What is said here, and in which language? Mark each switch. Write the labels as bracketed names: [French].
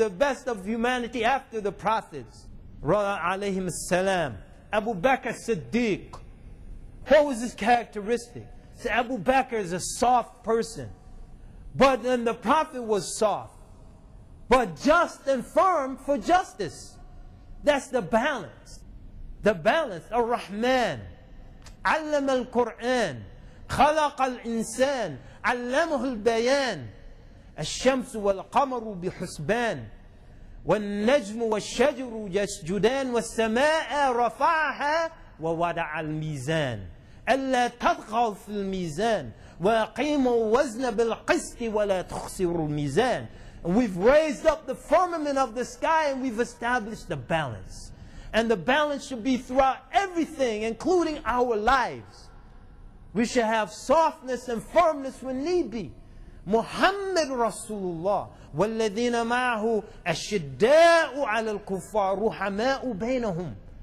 [English] The best of humanity after the prophets, [Arabic] rada alayhim salam. [English] Abu Bakr Siddiq, what was his characteristic? See, Abu Bakr is a soft person. But then the Prophet was soft, but just and firm for justice. That's the balance. The balance. [Arabic] Ar-Rahman, Allam al-Qur'an, Khalaq al-Insan, Allamuhu al-Bayan, Al-Shamsu wal-Qamaru bi-Husban, وَالنَّجْمُ وَالشَّجْرُ يَسْجُدَانِ وَالسَّمَاءَ رَفَعَهَا وَوَدَعَ الْمِيزَانِ أَلَّا تَطْغَوْا فِي الْمِيزَانِ وَأَقِيمُوا وَزْنَ بِالْقِسْطِ وَلَا تُخْسِرُوا الْمِيزَانِ. [English] And we've raised up the firmament of the sky and we've established the balance. And the balance should be throughout everything, including our lives. We should have softness and firmness when need be. [Arabic] Muhammad Rasulullah, وَالَّذِينَ مَعَهُ أَشِدَّاءُ عَلَى الْكُفَّارُ رُحَمَاءُ بَيْنَهُمْ.